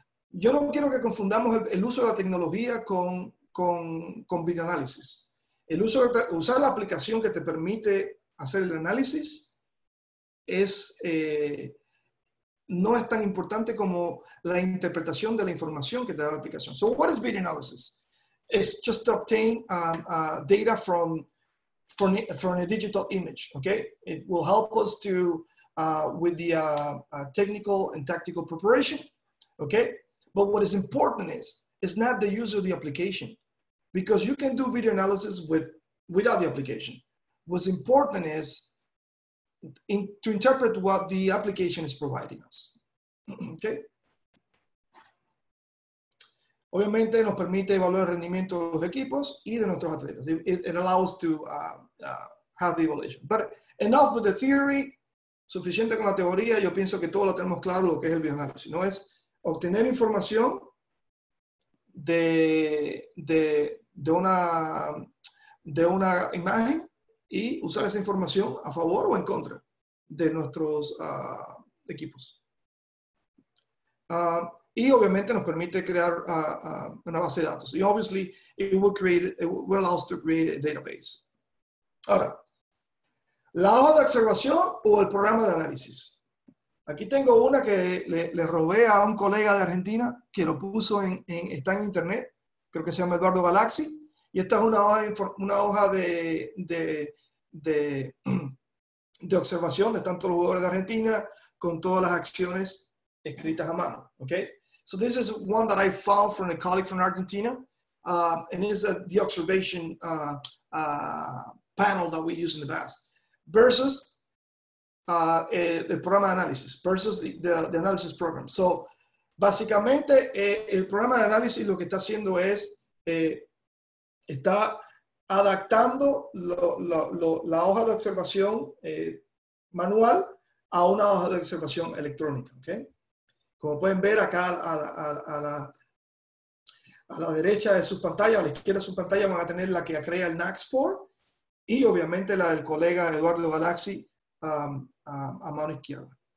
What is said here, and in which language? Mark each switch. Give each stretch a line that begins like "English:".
Spanish: Yo no quiero que confundamos el uso de la tecnología con video análisis. El uso de usar la aplicación que te permite hacer el análisis es, no es tan importante como la interpretación de la información que te da la aplicación.
English: So what is video analysis? It's just to obtain data from a digital image, okay? It will help us to with the technical and tactical preparation, okay? But what is important is, it's not the use of the application, because you can do video analysis without the application. What's important is to interpret what the application is providing us, okay?
Spanish: Obviamente nos permite evaluar el rendimiento de los equipos y de nuestros atletas.
English: It allows to have the evaluation. But enough with the theory,
Spanish: suficiente con la teoría. Yo pienso que todos lo tenemos claro lo que es el bioanálisis. No es obtener información de una imagen y usar esa información a favor o en contra de nuestros equipos. Y obviamente nos permite crear una base de datos. Y
English: obviously, it will allow us to create a database.
Spanish: Ahora, la hoja de observación o el programa de análisis. Aquí tengo una que le robé a un colega de Argentina que lo puso está en internet. Creo que se llama Eduardo Galaxi. Y esta es una hoja de observación de tantos jugadores de Argentina con todas las acciones escritas a mano. ¿Okay?
English: So this is one that I found from a colleague from Argentina, and it's the observation panel that we use in the past, versus the program analysis, versus the analysis program.
Spanish: So básicamente, el programa de análisis lo que está haciendo es, está adaptando la hoja de observación manual a una hoja de observación electrónica, okay? Como pueden ver acá a la derecha de su pantalla, a la izquierda de su pantalla, van a tener la que crea el NAXPORT y obviamente la del colega Eduardo Galaxi a mano izquierda.